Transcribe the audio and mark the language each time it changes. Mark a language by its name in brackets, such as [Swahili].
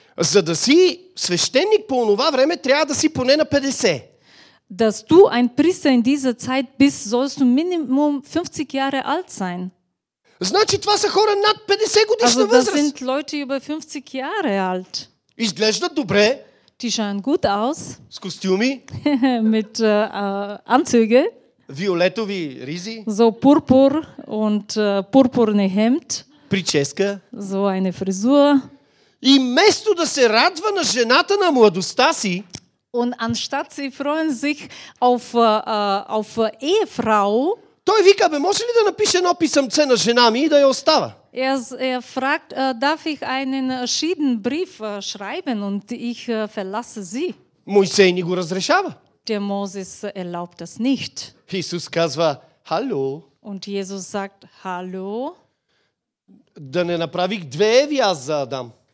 [Bulgarian] За да си свещеник по онова време трябва да си поне на 50. [German] Dass du ein Priester in dieser Zeit bist, sollst du minimum 50 Jahre alt sein. [Bulgarian] Значи това са хора над 50 годишна възраст. [German] Also das sind Leute über 50 Jahre alt. [Bulgarian] Изглеждат добре. [German] Die schauen gut aus. [Bulgarian] С костюми. [German] Mit Anzüge. [Bulgarian] Violettovi ризи. [German] So purpur und purpurne Hemd. [Bulgarian] Прическа. [German] So eine Frisur. [Bulgarian] И вместо да се радва на жената на младостта си, [German] und anstatt sie freuen sich auf Ehefrau, [Bulgarian] той вика, бе, може ли да напише едно писъмце на жена ми и да я остава? [German] Er fragt, darf ich einen Schiedenbrief schreiben und ich verlasse sie? [Bulgarian] Моисей не го разрешава. [German] Der Moses erlaubt das nicht. [Bulgarian] Исус казва, hallo. [German] Und Jesus sagt, hallo. [Bulgarian] Да не направих две Еви аз за Адам.